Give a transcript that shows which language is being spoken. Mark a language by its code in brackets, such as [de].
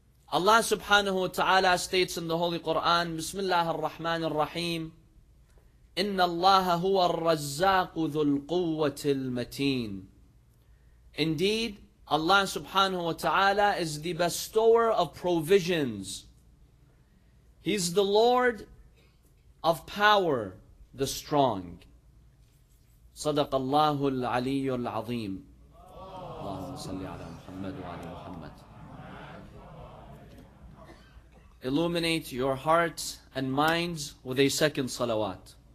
[en] Allah subhanahu wa ta'ala states in the Holy Quran, Bismillah ar-Rahman ar-Rahim, [ar] إِنَّ اللَّهَ هُوَ الرَّزَّاقُ ذُو الْقُوَّةِ الْمَتِينَ. [en] Indeed, Allah subhanahu wa ta'ala is the bestower of provisions. He's the Lord of power, the strong. [ar] صدق الله العلي العظيم. اللهم صل على محمد وعلى محمد. [en] Illuminate your hearts and minds with a second salawat.